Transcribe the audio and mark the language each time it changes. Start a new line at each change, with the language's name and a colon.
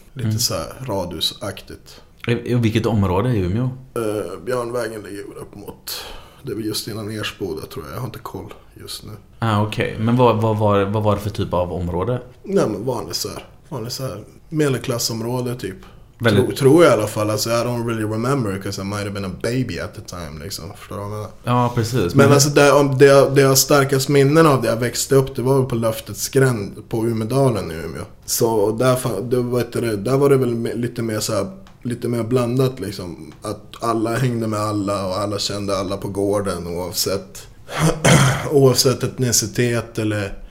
Swedish: Lite så här radhusaktigt. I vilket område i Umeå? Björnvägen ligger ju upp mot, det var just innan Ersboda tror jag. Jag har inte koll just nu. Ah, okej. Okay. Men vad var det för typ av område? Nej, men vanlig så här medelklassområde typ. Väldigt... Tror jag i alla fall. Alltså,
English: I don't really remember because I might have been a baby at the time.
Swedish: Liksom. Förstår du vad jag menar? Ja, precis. Men alltså, det jag starkast minnen av det jag växte upp, det var väl på Löftets gränd på Umedalen i Umeå. Så där var det väl lite mer, så här, lite mer blandat. Liksom. Att alla hängde med alla och alla kände alla på gården oavsett etnicitet eller...